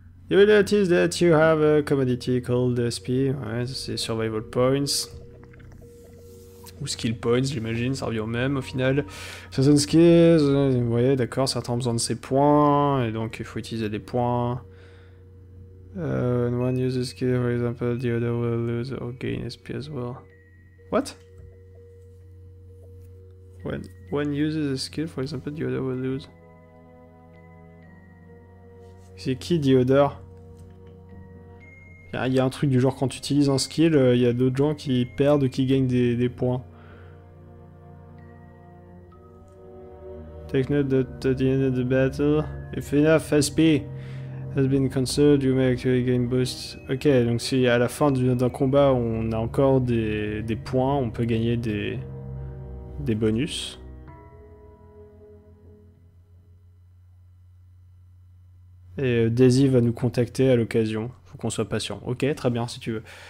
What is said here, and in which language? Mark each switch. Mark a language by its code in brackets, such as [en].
[en] You will notice that you have a commodity called SP. [fr] Ouais, c'est Survival Points. Ou Skill Points, j'imagine, ça revient au même au final. Certaines skills, vous voyez, d'accord, certains ont besoin de ces points, et donc il faut utiliser des points. [en] When one uses skill, for example, the other will lose or gain SP as well. What? When one uses a skill, for example, the other will lose. [fr] C'est qui, [en] the other? [fr] Il y a un truc du genre, quand tu utilises un skill, il y a d'autres gens qui perdent ou qui gagnent des points. [en] Take note that at the end of the battle, if enough SP has been conserved, you may actually gain boost. [fr] Ok, donc si à la fin d'un combat on a encore des points, on peut gagner des bonus. Et Daisy va nous contacter à l'occasion, faut qu'on soit patient. Ok, très bien si tu veux.